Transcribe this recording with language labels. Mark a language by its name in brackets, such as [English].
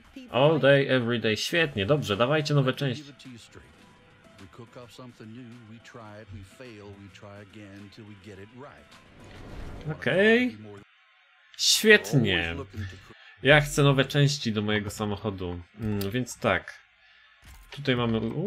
[English] All day, every day. [Polish] Świetnie, dobrze, dawajcie nowe części. [English] Cook up something new, we try it, we fail, we try again till we get it right. [Polish] Okej. Świetnie. Ja chcę nowe części do mojego samochodu. Więc tak. Tutaj mamy.